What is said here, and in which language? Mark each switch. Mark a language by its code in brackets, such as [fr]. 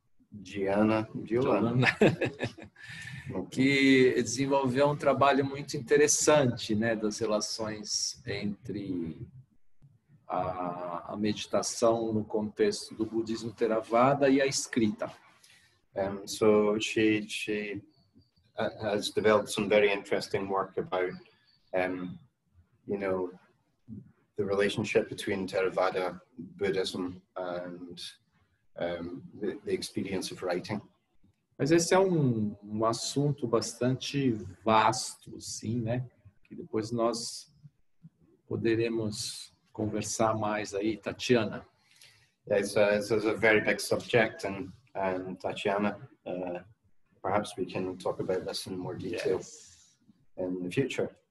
[pt] Diana de Holanda. Que desenvolveu um trabalho muito interessante, né, das relações entre a meditação no contexto do budismo Theravada e a escrita. [en] So she has developed some very interesting work about the relationship between Theravada Buddhism and the experience of writing. [pt] Mas esse é um assunto bastante vasto, sim, né? Que depois nós poderemos conversar mais aí, Tatiana. [en] It's a very big subject, and Tatiana, perhaps we can talk about this in more detail in the future.